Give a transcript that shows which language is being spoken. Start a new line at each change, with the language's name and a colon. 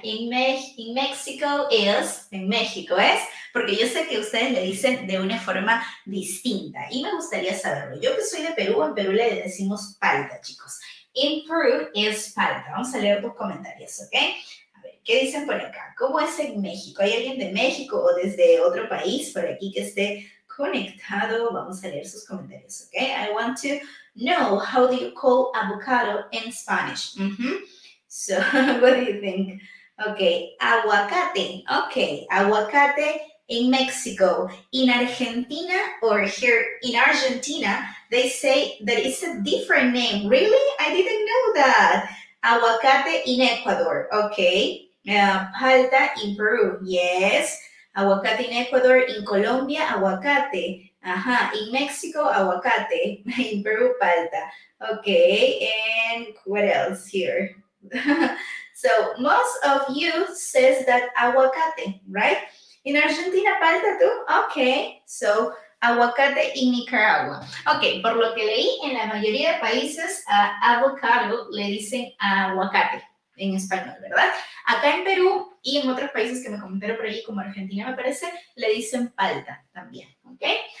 English: In Mexico is,
Spanish: en México es, porque yo sé que ustedes le dicen de una forma distinta y me gustaría saberlo. Yo que soy de Perú, en Perú le decimos palta, chicos.
English: In Peru is palta.
Spanish: Vamos a leer tus comentarios, ¿ok? A ver, ¿qué dicen por acá? ¿Cómo es en México? ¿Hay alguien de México o desde otro país por aquí que esté conectado? Vamos a leer sus comentarios, ¿ok?
English: I want to know, how do you call avocado in Spanish? So, what do you think? Okay, aguacate. Okay, aguacate in Mexico. In Argentina, or here in Argentina, they say that it's a different name. Really? I didn't know that. Aguacate in Ecuador. Okay. Palta in Peru. Yes. Aguacate in Ecuador. In Colombia, aguacate. Ajá. In Mexico, aguacate. In Peru, palta. Okay. And what else here? So, most of you says that aguacate, right? In Argentina, palta too? Okay, so aguacate in Nicaragua.
Spanish: Okay, por lo que leí, en la mayoría de países, avocado le dicen aguacate en español, ¿verdad? Acá en Perú y en otros países que me comentaron por allí, como Argentina me parece, le dicen palta también, okay?